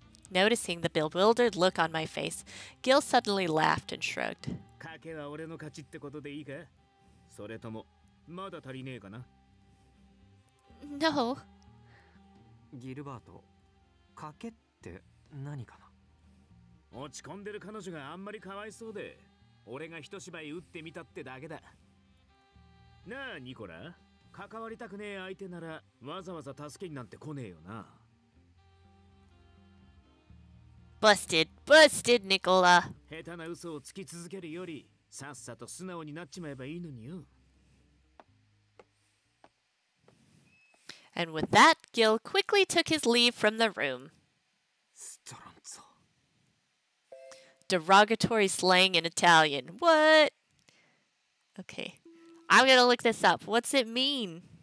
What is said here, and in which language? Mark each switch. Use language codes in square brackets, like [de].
[en] Noticing the bewildered look on my face, Gil suddenly laughed and shrugged. [ja] 賭けは俺の勝ちってことでいいか？それともまだ足りねえかな？ [en] No. [ja] ギルバート、賭けって何かな？落ち込んでる彼女があんまりかわいそうで、俺が一芝居打ってみたってだけだ。なあ、ニコラ、関わりたくねえ相手ならわざわざ助けになんて来ねえよな。 [en] Busted, busted, Nicola。 [ja] 下手な嘘をつき続けるより、さっさと素直になっちまえばいいのによ。 [en] And with that, Gil quickly took his leave from the room. Derogatory slang in Italian. What? Okay. I'm gonna look this up. What's it mean?